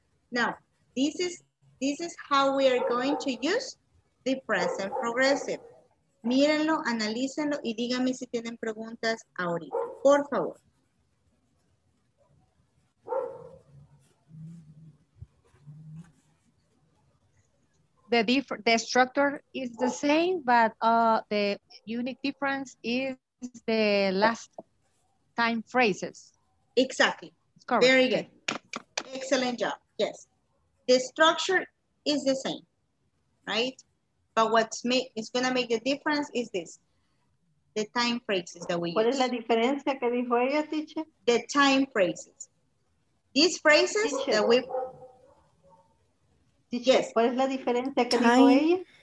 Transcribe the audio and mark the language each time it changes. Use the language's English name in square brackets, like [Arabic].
[English] Now, this is how we are going to use the present progressive. [Spanish] Mírenlo, analícenlo y díganme si tienen preguntas ahorita. Por favor. [English] The structure is the same, but the unique difference is the last time phrases. Exactly. Correct. Very good. Excellent job. Yes. The structure is the same, right? But what's is going to make the difference is this. The time phrases that we use. [Spanish] ¿Cuál es la diferencia que dijo ella, teacher? [English] The time phrases. These phrases teacher. That we... Yes. [Spanish] ¿Cuál es la diferencia que time, dijo ella?